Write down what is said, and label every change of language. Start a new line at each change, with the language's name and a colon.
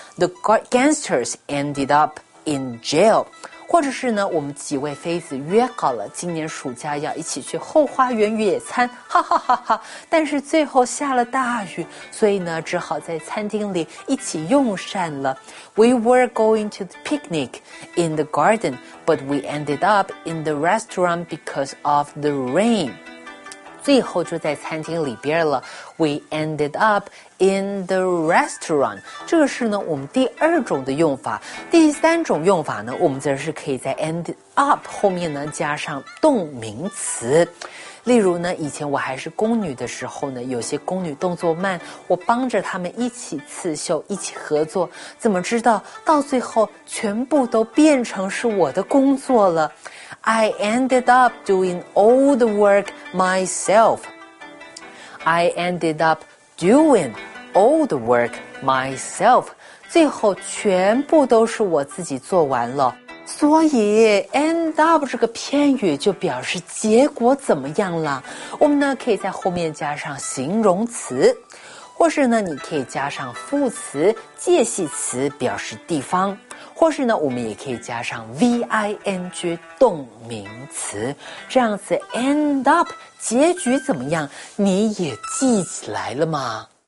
English: The gangsters ended up in jail.
Chinese: 或者是呢，我们几位妃子约好了今年暑假要一起去后花园野餐，哈哈哈哈！但是最后下了大雨，所以呢，只好在餐厅里一起用膳了。
English: We were going to the picnic in the garden, but we ended up in the restaurant because of the rain.
Chinese: 最后就在餐厅里边了。
English: We ended up in the restaurant.
Chinese: 这个是呢我们第二种的用法。第三种用法呢，我们则是可以在 end up 后面呢加上动名词。例如呢，以前我还是宫女的时候呢，有些宫女动作慢，我帮着她们一起刺绣，一起合作，怎么知道到最后全部都变成是我的工作了。
English: I ended up doing all the work myself. I ended up doing all the work myself.
Chinese: 最后全部都是我自己做完了。所以 end up 这个片语就表示结果怎么样了，我们呢可以在后面加上形容词。或是呢，你可以加上副词、介系词表示地方，或是呢，我们也可以加上 V-I-N-G 动名词，这样子 end up 结局怎么样，你也记起来了吗？